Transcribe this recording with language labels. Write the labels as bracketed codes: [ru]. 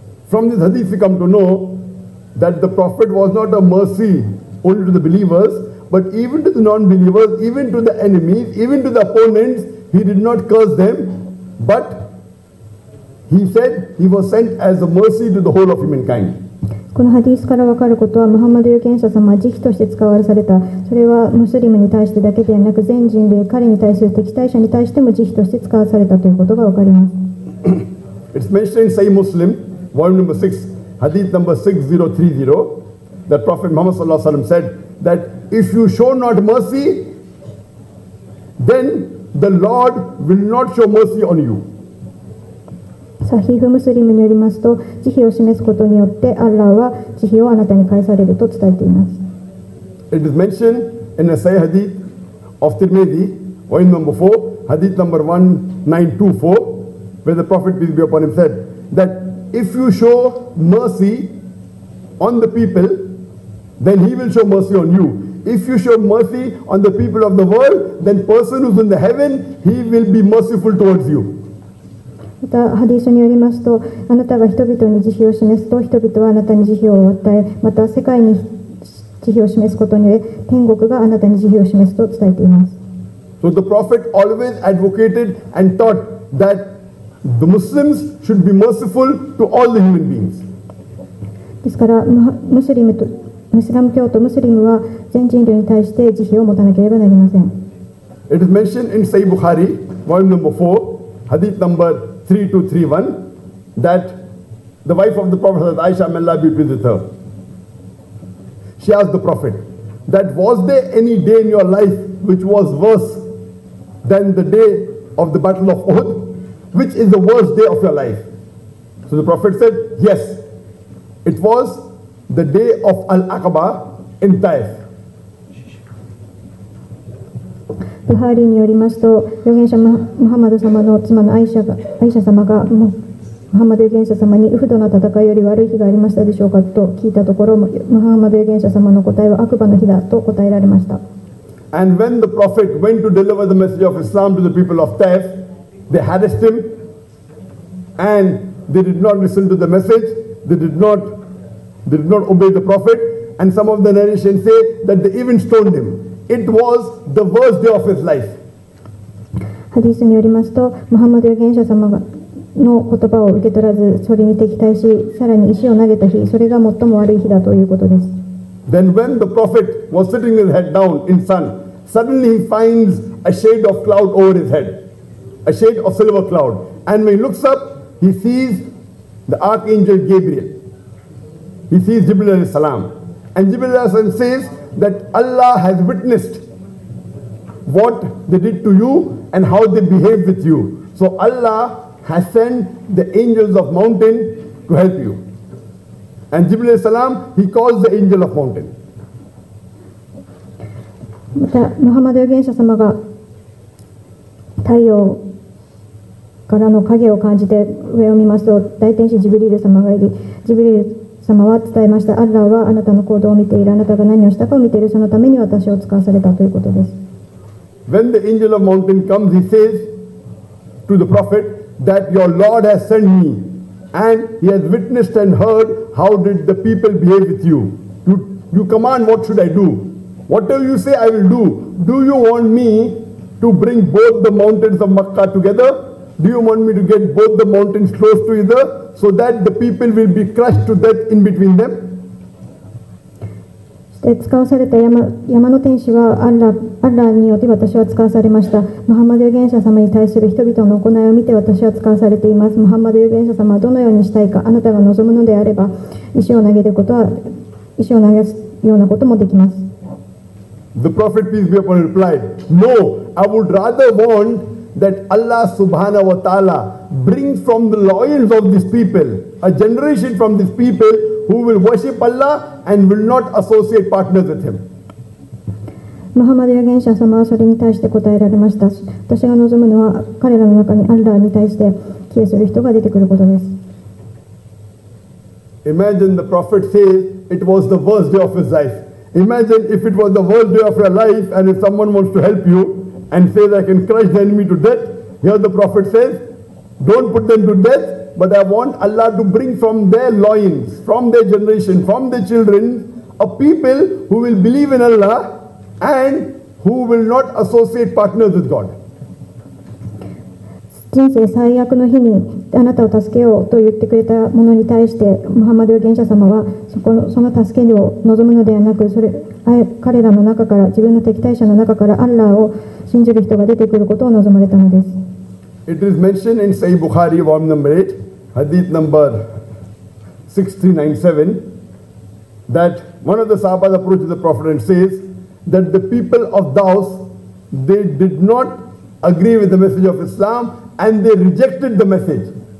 [en] From this hadith we come to know that the prophet was not a mercy only to the believers, but even to the non-believers, even to the enemies, even to the opponents, he did not curse them, but he said he was sent as a mercy to the whole of humankind. [ja] このハディスから分かることは、ムハンマド預言者様は慈悲として使われされた。それはムスリムに対してだけではなく、全人類、彼に対する敵対者に対しても慈悲として使わされたということが分かります。 [en] It's mentioned in Sahih Muslim, volume number 6, hadith number 6030, that Prophet Muhammad sallallahu alaihi wasallam said that if you show not mercy, then the Lord will not show mercy on you. [ja] サヒーフムスリムによりますと、慈悲を示すことによってアッラーは慈悲をあなたに返されると伝えています。 [en] It is mentioned in a Sahih hadith of Tirmidhi, volume number 4, hadith number 1924, where the Prophet peace be upon him said that if you show mercy on the people, then he will show mercy on you. If you show mercy on the people of the world, then person who is in the heaven, he will be merciful towards you. [ja] またハディスによりますと、あなたが人々に慈悲を示すと、人々はあなたに慈悲を与え、また世界に慈悲を示すことにより、天国があなたに慈悲を示すと伝えています。 [en] So the Prophet always advocated and taught that the Muslims should be merciful to all the human beings. [ja] ですから、ムスラム教徒ムスリムは全人類に対して慈悲を持たなければなりません。 [en] It is mentioned in Sahih Bukhari, volume number 4, hadith number 3231, that the wife of the Prophet, Aisha, may Allah be with her, she asked the Prophet that was there any day in your life which was worse than the day of the battle of Uhud, which is the worst day of your life? So the Prophet said, yes, it was the day of Al-Aqaba in Taif. [ja] ブハーリーによりますと、預言者ムハンマド様の妻のアイシャ様がムハンマド預言者様にウフドの戦いより悪い日がありましたでしょうかと聞いたところ、ムハンマド預言者様の答えはアクバの日だと答えられました。 [en] And when the Prophet went to deliver the message of Islam to the people of Taif, they harassed him and they did not listen to the message, they did not obey the Prophet, and some of the narrations say that they even stoned himIt was the worst day of his life. [ja] ハディスによりますと、ムハンマド預言者様の言葉を受け取らず、それに敵対し、さらに石を投げた日、それが最も悪い日だということです。 [en] Then when the prophet was sitting his head down in sun, suddenly he finds a shade of cloud over his head, a shade of silver cloud. And when he looks up, he sees the archangel Gabriel. He sees Jibril alayhi salam. And Jibril alayhi salam says,that Allah has witnessed what they did to you and how they behaved with you. So Allah has sent the angels of mountain to help you. And Jibril alayhi salam, he calls the angel of mountain. [ja] また、ムハンマド預言者様が太陽からの影を感じて上を見ますと、大天使ジブリル様がいる。ジブリル様は伝えました、アッラーはあなたの行動を見ている、あなたが何をしたかを見ている、そのために私を使わされたということです。 [en] When the angel of mountain comes, he says to the prophet that your Lord has sent me and he has witnessed and heard how did the people behave with you. You command, what should I do? Whatever you say, I will do. Do you want me to bring both the mountains of Makkah together? Do you want me to get both the mountains close to either? So that the people will be crushed to death in between them. [ja] そして使わされた山の天使はアッラーによって私は使わされました。ムハンマド預言者様に対する人々の行いを見て私は使わされています。ムハンマド預言者様はどのようにしたいか、あなたが望むのであれば石を投げすようなこともできます。 [en] The Prophet peace be upon him replied, No, I would rather want that Allah subhanahu wa ta'ala. Bring from the loyals of these people a generation from these people who will worship Allah and will not associate partners with him. [ja] Muhammad 預言者様はそれに対して答えられました。私が望むのは彼らの中にアッラーに対して消えする人が出てくることです。 [en] Imagine the prophet says it was the worst day of his life. Imagine if it was the worst day of your life and if someone wants to help you and says I can crush the enemy to death. Here the prophet says, don't put them to death, but I want Allah to bring from their loins, from their generation, from their children, a people who will believe in Allah and who will not associate partners with God. [ja] 人生最悪の日にあなたを助けようと言ってくれたものに対してムハンマド預言者様はその助けを望むのではなく、それ彼らの中から自分の敵対者の中からアッラーを信じる人が出てくることを望まれたのです。 [en] It is mentioned in Sahih Bukhari volume number 8 hadith number 6397 that one of the sahabas approaches the prophet and says that the people of Daus they did not agree with the message of Islam and they rejected the message.